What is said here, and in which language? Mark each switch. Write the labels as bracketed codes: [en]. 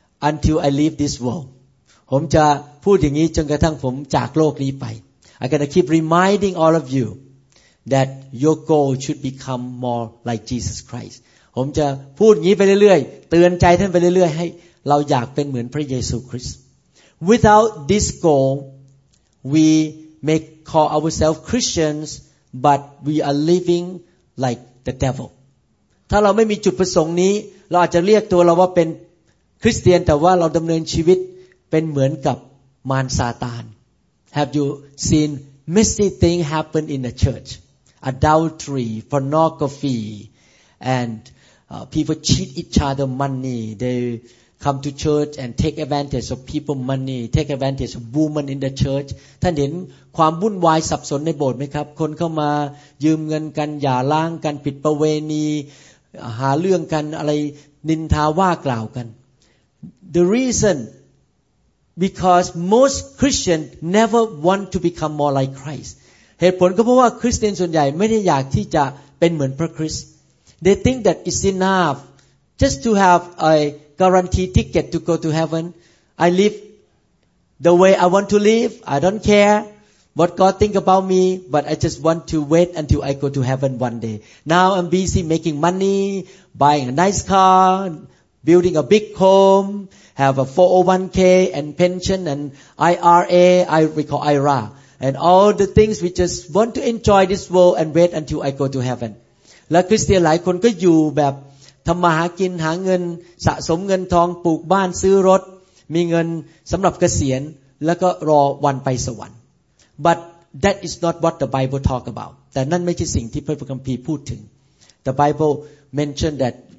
[en] until I leave this world [th] ผมจะพูดอย่างนี้จนกระทั่งผมจากโลกนี้ไป [en] I'm gonna keep reminding all of you that your goal should become more like Jesus Christ [th] ผมจะพูดอย่างนี้ไปเรื่อยๆเตือนใจท่านไปเรื่อยๆให้เราอยากเป็นเหมือนพระเยซูคริสต์ [en] Without this goalWe may call ourselves Christians, but we are living like the devil. [th] ถ้าเราไม่มีจุดประสงค์นี้เราอาจจะเรียกตัวเราว่าเป็นคริสเตียนแต่ว่าเราดำเนินชีวิตเป็นเหมือนกับมารซาตาน [en] Have you seen messy things happen in the church? Adultery, pornography, and people cheat each other money. They come to church and take advantage of people money take advantage of women in the church [th] ท่านเห็นความวุ่นวายสับสนในโบสถ์ไหมครับคนเข้ามายืมเงินกันหย่าร้างกันผิดประเวณีหาเรื่องกันอะไรนินทาว่ากล่าวกัน [en] The reason because most Christians never want to become more like Christ [th] เหตุผลก็เพราะว่าคริสเตียนส่วนใหญ่ไม่ได้อยากที่จะเป็นเหมือนพระคริสต์ [en] They think that it's enough just to have aGuarantee ticket to go to heaven. I live the way I want to live. I don't care what God think about me, but I just want to wait until I go to heaven one day. Now I'm busy making money, buying a nice car, building a big home, have a 401k and pension and IRA, I recall IRA, and all the things we just want to enjoy this world and wait until I go to heaven. [th] และคริสเตียนหลายคนก็อยู่แบบทำมาหากินหาเงินสะสมเงินทองปลูกบ้านซื้อรถมีเงินสำหรับเกษียณแล้วก็รอวันไปสวรรค์ [en] But that is not what the Bible talk about [th] แต่นั่นไม่ใช่สิ่งที่พระคัมภีร์พูดถึง [en] The Bible mention that